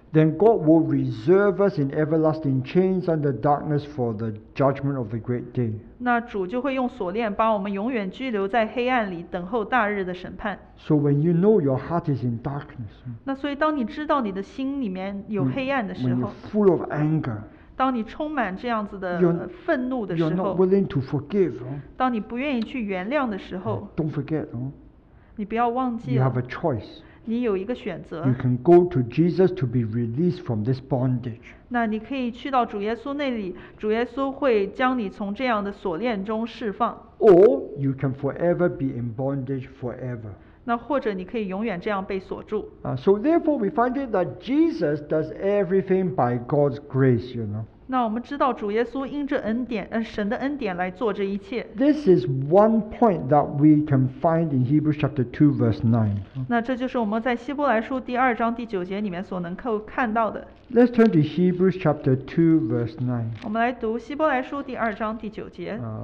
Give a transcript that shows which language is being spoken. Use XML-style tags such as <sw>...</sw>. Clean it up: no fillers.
<en>Then God will reserve us in everlasting chains under darkness for the judgment of the great day.</en> <zh>那主就会用锁链把我们永远拘留在黑暗里，等候大日的审判。</zh> <en>So when you know your heart is in darkness,</en> <zh>那所以当你知道你的心里面有黑暗的时候</zh> <en>，When you're full of anger,</en> <zh>当你充满这样子的愤怒的时候</zh> <en>，You're not willing to forgive,</en> <zh>当你不愿意去原谅的时候</zh> <en>，Don't forget,</en> <zh>你不要忘记</zh> <en>，You have a choice.</en> <zh>你有一个选择。</zh> <en>You can go to Jesus to be released from this bondage.</en> <zh>那你可以去到主耶稣那里，主耶稣会将你从这样的锁链中释放。</zh> <en>Or you can forever be in bondage forever.</en> <zh>那或者你可以永远这样被锁住。</zh> <en>So therefore we find it that Jesus does everything by God's grace, you know.</en> <zh>那我们知道主耶稣因着恩典，神的恩典来做这一切。</zh> <en>This is one point that we can find in Hebrews chapter 2 verse 9.</en> <zh>那这就是我们在希伯来书第二章第九节里面所能够看到的。</zh> <en>Let's turn to Hebrews chapter 2 verse 9.</en> <zh>我们来读希伯来书第二章第九节。</zh>